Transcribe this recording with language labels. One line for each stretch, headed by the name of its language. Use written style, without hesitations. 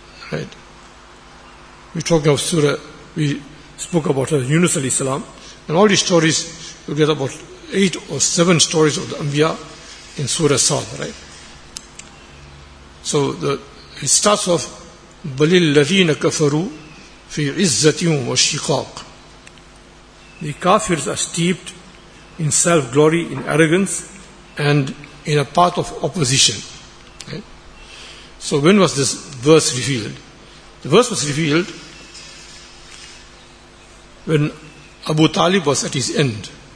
English: Right? We're talking of surah, we spoke about Yunus alayhi salam, and all these stories, you get about 8 or 7 stories of the Anbiya in Surah Sa'd, right? So it starts off,
Arabic: بَلِ الَّذِينَ كَفَرُوا فِي عِزَّةٍ وَشِقَاقٍ.
English: The kafirs are steeped in self-glory, in arrogance, and in a path of opposition. Right? So when was this verse revealed? The verse was revealed when Abu Talib was at his end.